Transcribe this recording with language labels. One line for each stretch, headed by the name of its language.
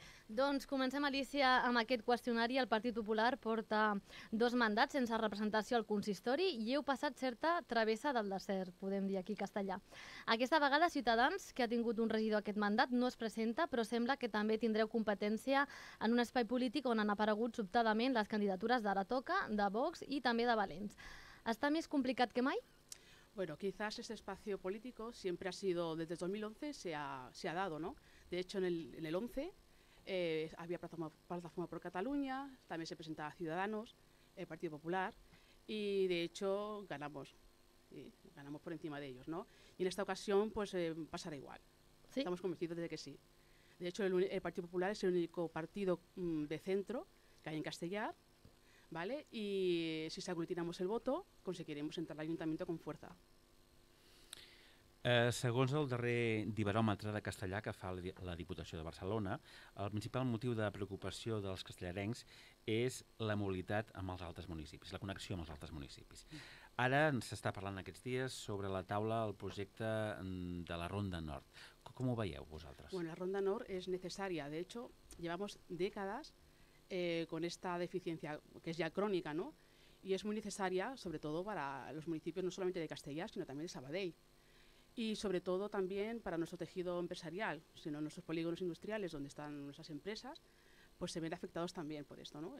Catalan: Doncs comencem, Alicia, amb aquest qüestionari. El Partit Popular porta 2 mandats sense representació al consistori i heu passat certa travessa del desert, podem dir aquí castellà. Aquesta vegada Ciutadans, que ha tingut un regidor aquest mandat, no es presenta, però sembla que també tindreu competència en un espai polític on han aparegut sobtadament les candidatures d'Ara Toca, de Vox i també de Valents. Està més complicat que mai?
Spanish: Bueno, quizás ese espacio político siempre ha sido, desde 2011 se ha dado, ¿no? De hecho, en el 11... había plataforma por Cataluña, también se presentaba Ciudadanos, el Partido Popular, y de hecho ganamos por encima de ellos, ¿no? Y en esta ocasión pues pasará igual. ¿Sí? Estamos convencidos de que sí. De hecho, el Partido Popular es el único partido de centro que hay en Castellar, ¿vale? Y si se aglutinamos el voto, conseguiremos entrar al ayuntamiento con fuerza.
Catalan: Segons el darrer diveròmetre de Castellà que fa la Diputació de Barcelona, el principal motiu de preocupació dels castellarencs és la mobilitat amb els altres municipis, la connexió amb els altres municipis. Ara s'està parlant aquests dies sobre la taula el projecte de la Ronda Nord. Com ho veieu vosaltres? Bueno, la Ronda Nord és necessària.
Spanish: De hecho, llevamos décadas con esta deficiencia, que es ya crónica, ¿no? Y es muy necesaria, sobre todo para los municipios no solamente de Castellà, sino también de Sabadell. Y sobre todo también para nuestro tejido empresarial, sino nuestros polígonos industriales donde están nuestras empresas, pues se ven afectados también por esto, ¿no?